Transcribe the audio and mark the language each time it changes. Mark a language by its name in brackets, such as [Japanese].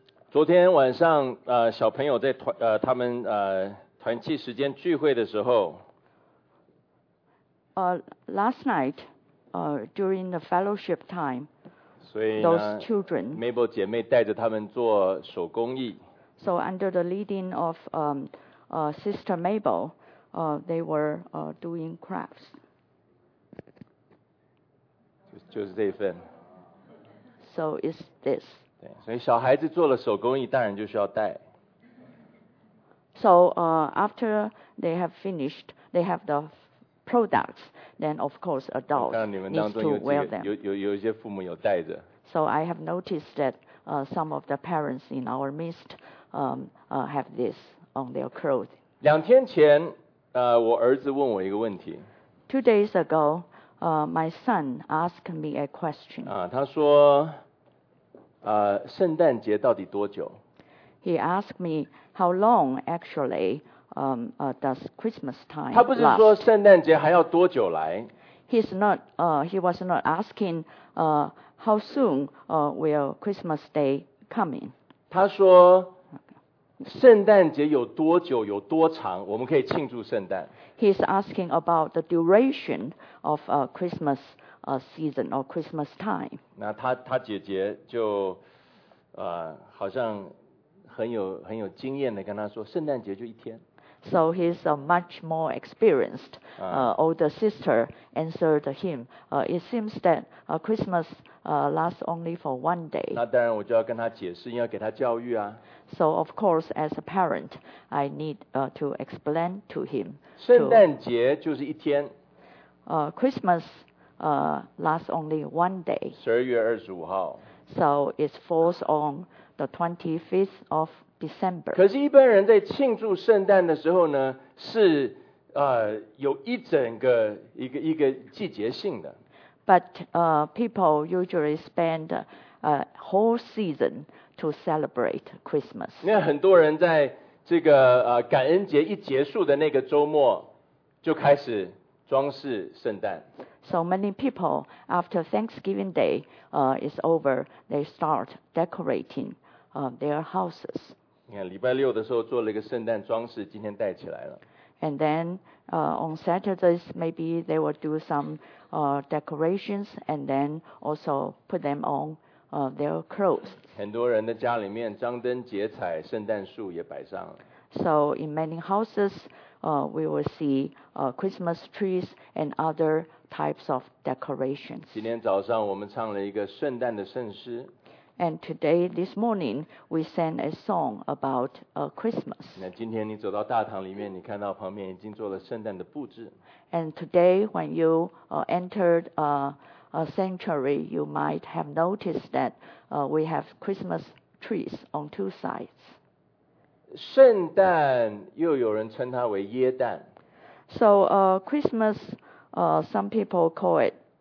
[Chinese] 昨天晚上小朋友在他们团契时间聚会的时候 [English] last night during the fellowship time, [Chinese] 所以呢, [English] those children, [Chinese] Mabel 姐妹带着他们做手工艺。 [English] So under the leading of Sister Mabel, they were doing crafts. [Chinese] 就是这一份。 [English] So it's this. [Chinese] 对，所以小孩子做了手工艺，大人就需要带。 [English] So after they have finished, they have the products, then of course adults need to wear them. [Chinese] 有一些父母有带着。 [English] So I have noticed that some of the parents in our midst have this on their clothes. [Chinese] 两天前我儿子问我一个问题。 [English] Two days ago, my son asked me a question. [Chinese] 他说圣诞节到底多久？ [English] He asked me how long actually does Christmas time last? [Chinese] 他不是说圣诞节还要多久来。 [English] He's not, he was not asking how soon will Christmas Day come in. [Chinese] 他说圣诞节有多久有多长我们可以庆祝圣诞。 [English] He's asking about the duration of Christmas season or Christmas time. [Chinese] 那 他姐姐就好像很有经验的跟他说圣诞节就一天。 [English] So he's a much more experienced older sister answered him. It seems that Christmas lasts only for one day. [Chinese] 那当然我就要跟他解释，要给他教育啊。 [English] So of course, as a parent, I need to explain to him. [Chinese] 圣诞节就是一天。 [English] Christmas lasts only one day. [Chinese] 12月25号。 [English] So it falls on the 25th of December. [Chinese] 可是一般人在庆祝圣诞的时候呢，是有一整个一个季节性的。 [English] But people usually spend a whole season to celebrate Christmas. [Chinese] 因为很多人在这个感恩节一结束的那个周末就开始装饰圣诞。 [English] So many people after Thanksgiving Day is over, they start decorating their houses. [Chinese] 你看礼拜六的时候做了一个圣诞装饰，今天带起来了。 [English] And then on Saturdays maybe they will do some decorations and then also put them on their clothes. [Chinese] 很多人的家里面张灯结彩，圣诞树也摆上了。 [English] So in many houses we will see Christmas trees and other types of decorations. [Chinese] 今天早上我们唱了一个圣诞的圣诗。 [English] And today, this morning, we sang a song about Christmas. [Chinese] 那今天你走到大堂里面，你看到旁边已经做了圣诞的布置。 [English] And today, when you entered a sanctuary, you might have noticed that we have Christmas trees on two sides. [Chinese] 圣诞又有人称它为耶诞。 [English] So Christmas, some people call it